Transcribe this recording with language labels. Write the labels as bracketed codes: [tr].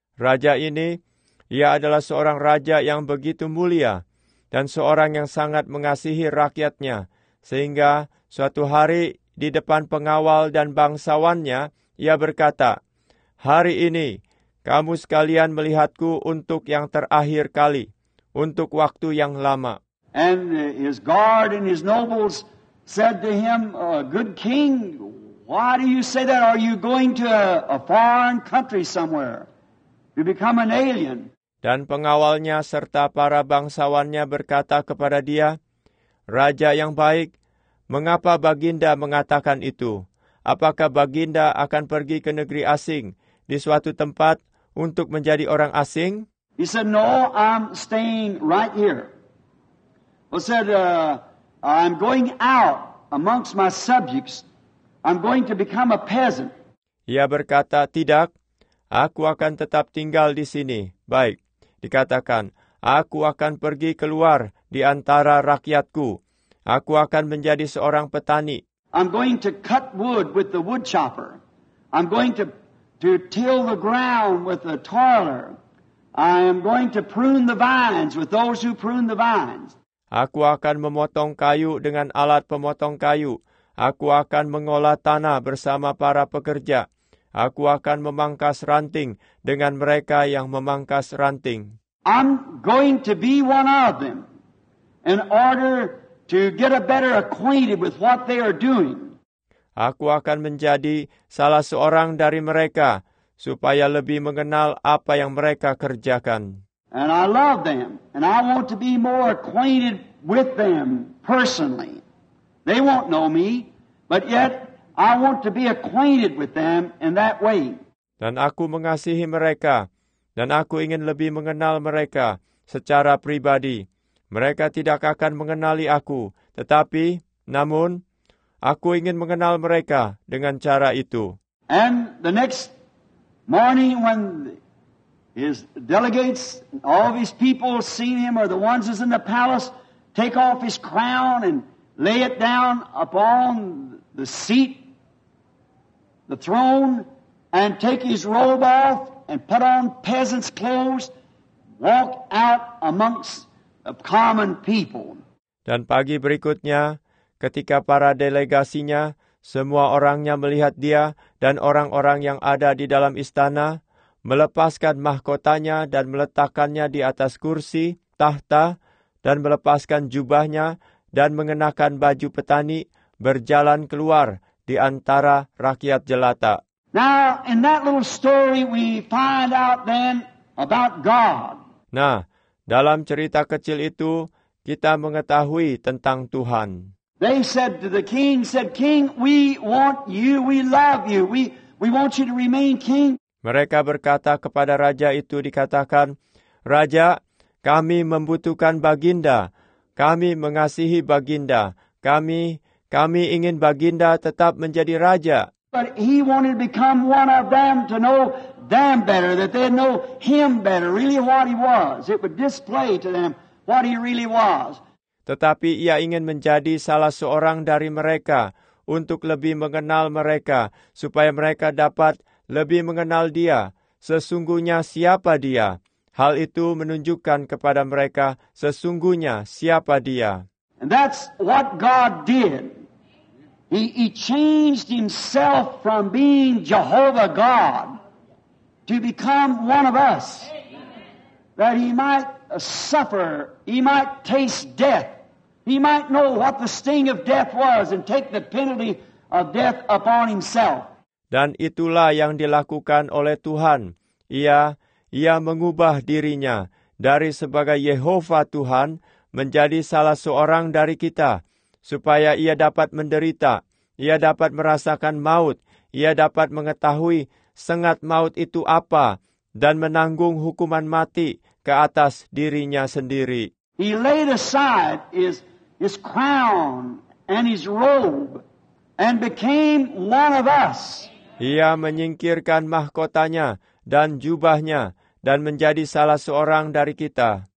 [id] Raja ini, ia adalah seorang raja yang begitu mulia dan seorang yang sangat mengasihi rakyatnya. Sehingga suatu hari di depan pengawal dan bangsawannya, ia berkata, hari ini kamu sekalian melihatku untuk yang terakhir kali, untuk waktu yang lama. [en] And his guard and his nobles said to him, good king, why do you say that? Are you going to a foreign country somewhere? You become an alien. [id] Dan pengawalnya serta para bangsawannya berkata kepada dia, Raja yang baik, mengapa baginda mengatakan itu? Apakah baginda akan pergi ke negeri asing di suatu tempat untuk menjadi orang asing? [en] He said, no, I'm staying right here. Well, said, I'm going out amongst my subjects. I'm going to become a peasant. [id] Ia berkata, tidak, aku akan tetap tinggal di sini. Baik, dikatakan, aku akan pergi keluar di antara rakyatku. Aku akan menjadi seorang petani. [en] I'm going to cut wood with the wood chopper. I'm going to till the ground with the toiler. I am going to prune the vines with those who prune the vines. [id] Aku akan memotong kayu dengan alat pemotong kayu. Aku akan mengolah tanah bersama para pekerja. Aku akan memangkas ranting dengan mereka yang memangkas ranting. [en] I'm going to be one of them in order to get a better acquainted with what they are doing. [id] Aku akan menjadi salah seorang dari mereka supaya lebih mengenal apa yang mereka kerjakan. [en] And I love them and I want to be more acquainted with them personally. They won't know me, but yet I want to be acquainted with them in that way. [id] Dan aku mengasihi mereka dan aku ingin lebih mengenal mereka secara pribadi. Mereka tidak akan mengenali aku, tetapi namun aku ingin mengenal mereka dengan cara itu. [en] And the next morning when his delegates, all of his people seen him, or the ones who's in the palace, take off his crown and lay it down upon the seat, the throne, and take his robe off and put on peasant's clothes, walk out amongst the common people. [id] Dan pagi berikutnya, ketika para delegasinya, semua orangnya melihat dia dan orang-orang yang ada di dalam istana, melepaskan mahkotanya dan meletakkannya di atas kursi, tahta, dan melepaskan jubahnya dan mengenakan baju petani, berjalan keluar di antara rakyat jelata. [en] Now, in that little story, we find out then about God. [id] Nah, dalam cerita kecil itu, kita mengetahui tentang Tuhan. [en] They said to the king, said, King, we want you, we love you, we want you to remain king. [id] Mereka berkata kepada raja itu, dikatakan, Raja, kami membutuhkan baginda, kami mengasihi baginda, kami ingin baginda tetap menjadi raja. [en] But he wanted to become one of them to know them better, that they'd know him better, really what he was. It would display to them what he really was. [id] Tetapi ia ingin menjadi salah seorang dari mereka untuk lebih mengenal mereka, supaya mereka dapat lebih mengenal dia, sesungguhnya siapa dia. Hal itu menunjukkan kepada mereka sesungguhnya siapa dia. [en] And that's what God did. He changed himself from being Jehovah God to become one of us, that he might suffer, he might taste death. He might know what the sting of death was and take the penalty of death upon himself. [id] Dan itulah yang dilakukan oleh Tuhan. Ia mengubah dirinya dari sebagai Yehova Tuhan menjadi salah seorang dari kita, supaya ia dapat menderita, ia dapat merasakan maut, ia dapat mengetahui sengat maut itu apa, dan menanggung hukuman mati ke atas dirinya sendiri. [en] He laid aside his crown and his robe and became one of us. [id] Ia menyingkirkan mahkotanya dan jubahnya dan menjadi salah seorang dari kita.